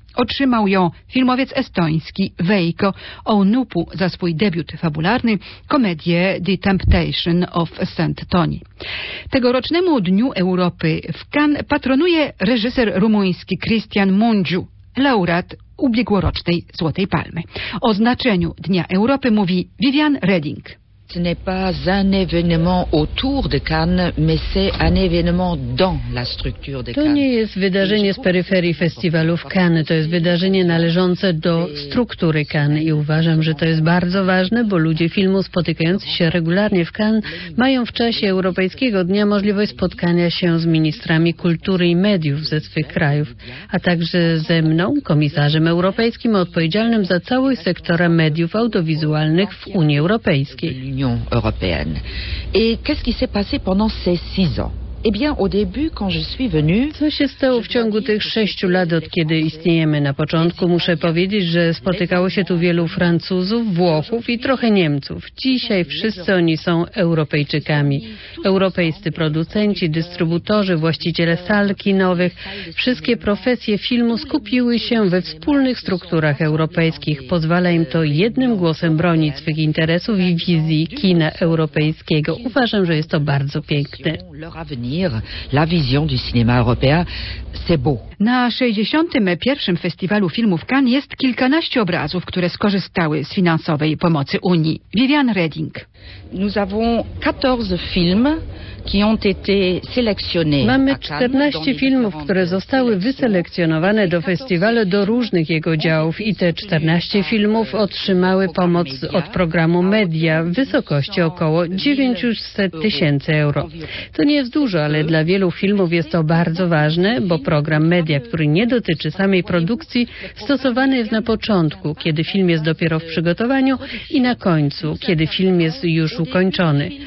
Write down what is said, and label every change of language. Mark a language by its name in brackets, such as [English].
[Polish] Otrzymał ją filmowiec estoński Veiko Onupu za swój debiut fabularny, komedię The Temptation of St. Tony. Tegorocznemu Dniu Europy w Cannes patronuje reżyser rumuński Krystian Mungiu, laureat ubiegłorocznej Złotej Palmy. O znaczeniu Dnia Europy mówi Viviane Reding. [French] Ce n'est pas un événement autour de Cannes, mais c'est un événement dans la structure de Cannes. [Polish] To nie jest wydarzenie z peryferii festiwalu w Cannes, to jest wydarzenie należące do struktury Cannes i uważam, że to jest bardzo ważne, bo ludzie filmu spotykający się regularnie w Cannes mają w czasie Europejskiego Dnia możliwość spotkania się z ministrami kultury i mediów ze swych krajów, a także ze mną, komisarzem europejskim odpowiedzialnym za cały sektor mediów audiowizualnych w Unii Europejskiej. [French] L'Union européenne. Et qu'est-ce qui s'est passé pendant ces six ans? Eh bien, au début, quand je suis venue... [Polish] Co się stało w ciągu tych 6 lat, od kiedy istniejemy? Na początku muszę powiedzieć, że spotykało się tu wielu Francuzów, Włochów i trochę Niemców. Dzisiaj wszyscy oni są Europejczykami. Europejscy producenci, dystrybutorzy, właściciele sal kinowych. Wszystkie profesje filmu skupiły się we wspólnych strukturach europejskich. Pozwala im to jednym głosem bronić swych interesów i wizji kina europejskiego. Uważam, że jest to bardzo piękne. [French] La vision du cinéma européen, c'est beau. [Polish] Na 61. Festiwalu Filmów Cannes jest kilkanaście obrazów, które skorzystały z finansowej pomocy Unii. Viviane Reding. [French] Nous avons 14 films qui ont été sélectionnés. [Polish] Mamy 14 filmów, które zostały wyselekcjonowane do festiwalu, do różnych jego działów, i te 14 filmów otrzymały pomoc od programu Media w wysokości około 900 tysięcy euro. To nie jest dużo, ale dla wielu filmów jest to bardzo ważne, bo program Media, który nie dotyczy samej produkcji, stosowany jest na początku, kiedy film jest dopiero w przygotowaniu, i na końcu, kiedy film jest już ukończony.